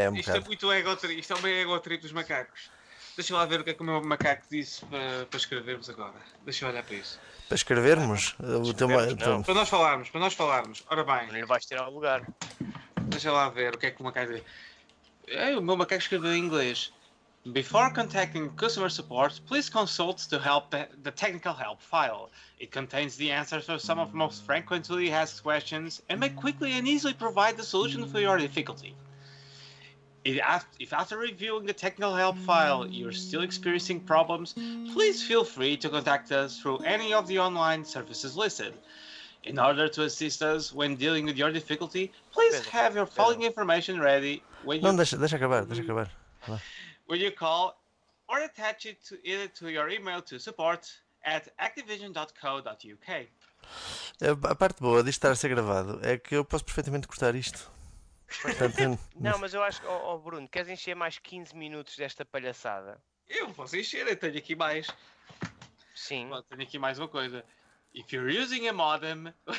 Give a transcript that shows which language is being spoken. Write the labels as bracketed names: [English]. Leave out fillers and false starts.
[Portuguese] Isto é meio ego-trip dos macacos. Deixa eu lá ver o que é que o meu macaco disse para escrevermos agora. Deixa eu olhar para isso. Para escrevermos? Para nós falarmos. Ora bem. Não vais tirar o lugar. Deixa eu lá ver o que é que o macaco disse. O meu macaco escreveu em inglês. [English] Before contacting customer support, please consult to help the technical help file. It contains the answers to some of the most frequently asked questions and may quickly and easily provide the solution for your difficulty. If after reviewing the technical help file you're still experiencing problems, please feel free to contact us through any of the online services listed. In order to assist us when dealing with your difficulty, please have your following information ready when you... [Portuguese] Não, deixa acabar. [English] When you call or attach it to either to your email to support@activision.co.uk. [Portuguese] A parte boa de estar a ser gravado é que eu posso perfeitamente cortar isto. Não, mas eu acho que, Bruno, queres encher mais 15 minutos desta palhaçada? Eu posso encher, eu tenho aqui mais. Sim. Tenho aqui mais uma coisa. [English] If you're using a modem.